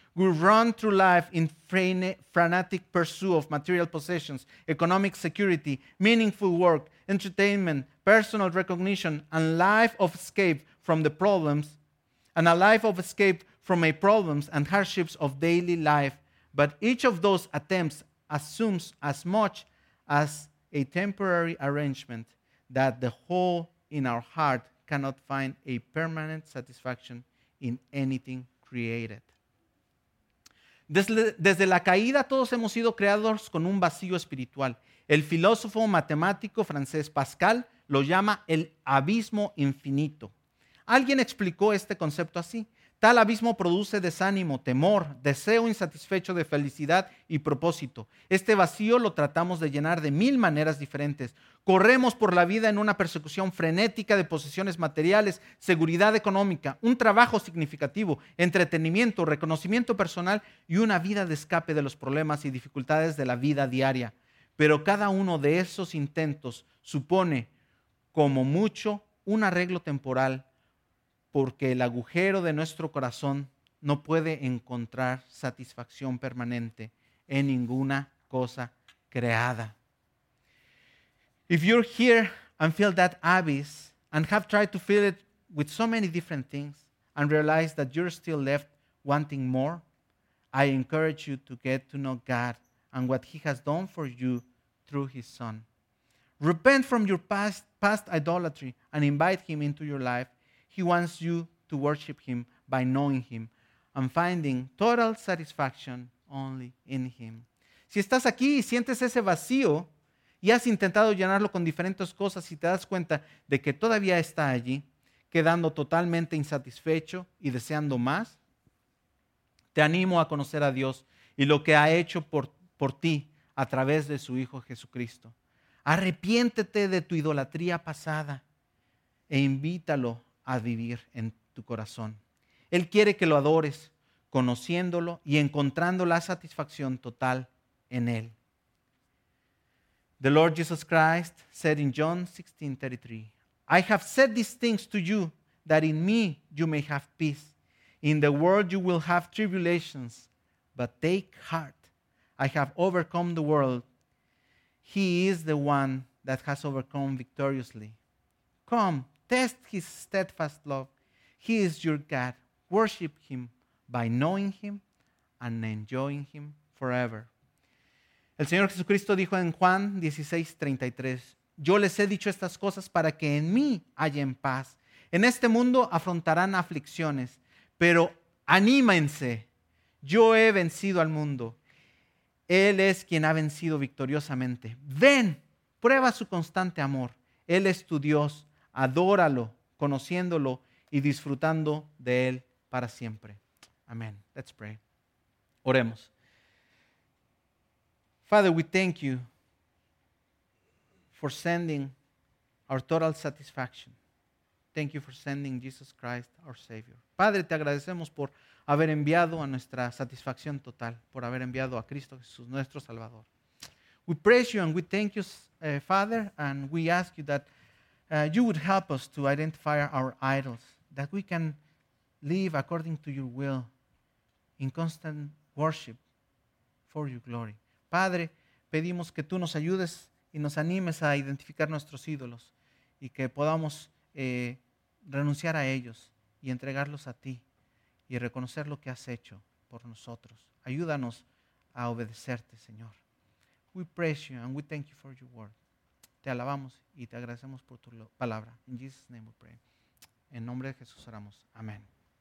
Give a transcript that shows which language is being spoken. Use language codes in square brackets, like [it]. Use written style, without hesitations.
[en] We run through life in frantic pursuit of material possessions, economic security, meaningful work, entertainment, personal recognition, and life of escape from the problems, and a life of escape from the problems and hardships of daily life. But each of those attempts assumes as much as a temporary arrangement that the hole in our heart cannot find a permanent satisfaction in anything created. [es] Desde la caída, todos hemos sido creados con un vacío espiritual. El filósofo matemático francés Pascal lo llama el abismo infinito. Alguien explicó este concepto así. Tal abismo produce desánimo, temor, deseo insatisfecho de felicidad y propósito. Este vacío lo tratamos de llenar de mil maneras diferentes. Corremos por la vida en una persecución frenética de posesiones materiales, seguridad económica, un trabajo significativo, entretenimiento, reconocimiento personal y una vida de escape de los problemas y dificultades de la vida diaria. Pero cada uno de esos intentos supone, como mucho, un arreglo temporal, porque el agujero de nuestro corazón no puede encontrar satisfacción permanente en ninguna cosa creada. [en] If you're here and feel that abyss and have tried to fill it with so many different things and realize that you're still left wanting more, I encourage you to get to know God and what He has done for you through His Son. Repent from your past idolatry and invite Him into your life. He wants you to worship Him by knowing Him and finding total satisfaction only in Him. [es] Si estás aquí y sientes ese vacío y has intentado llenarlo con diferentes cosas y te das cuenta de que todavía está allí, quedando totalmente insatisfecho y deseando más, te animo a conocer a Dios y lo que ha hecho por ti a través de su Hijo Jesucristo. Arrepiéntete de tu idolatría pasada e invítalo a vivir en tu corazón. Él quiere que lo adores, conociéndolo y encontrando la satisfacción total en Él. [en] The Lord Jesus Christ said in John 16:33, I have said these things to you, that in me you may have peace. In the world you will have tribulations, but take heart. I have overcome the world. He is the one that has overcome victoriously. Come, test His steadfast love. He is your God. Worship Him by knowing Him and enjoying Him forever. [es] El Señor Jesucristo dijo en Juan 16:33, yo les he dicho estas cosas para que en mí hallen paz. En este mundo afrontarán aflicciones, pero anímense. Yo he vencido al mundo. Él es quien ha vencido victoriosamente. Ven, prueba su constante amor. Él es tu Dios. Adóralo, conociéndolo y disfrutando de él para siempre. [en] Amén. Let's pray. [es] Oremos. [en] Father, we thank you for sending our total satisfaction. Thank you for sending Jesus Christ, our Savior. [es] Padre, te agradecemos por haber enviado a nuestra satisfacción total, por haber enviado a Cristo Jesús, nuestro Salvador. [en] We praise you and we thank you, Father, and we ask you that you would help us to identify our idols, that we can live according to your will in constant worship for your glory. [es] Padre, pedimos que tú nos ayudes y nos animes a identificar nuestros ídolos y que podamos renunciar a ellos y entregarlos a ti y reconocer lo que has hecho por nosotros. Ayúdanos a obedecerte, Señor. [en] We praise you and we thank you for your word. [es] Te alabamos y te agradecemos por tu palabra. [en] In Jesus' name we pray. [es] En nombre de Jesús oramos. Amén.